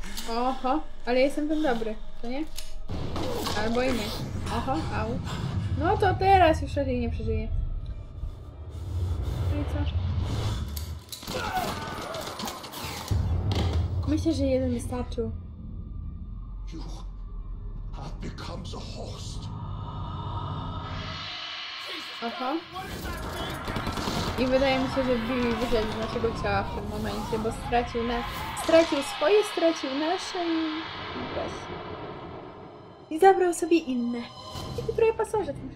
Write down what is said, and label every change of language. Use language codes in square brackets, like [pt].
[pl] Oho, ale jestem ten dobry, to nie? Albo i nie. Oho, au. No to teraz już raczej nie przeżyję. No i co? Myślę, że jeden wystarczył. [en] You have become the host. Oho. [pl] I wydaje mi się, że Billy wyszedł z naszego ciała w tym momencie, bo stracił na... Stracił swoje, stracił nasze i... Bez. I zabrał sobie inne. I wybrał pasażer.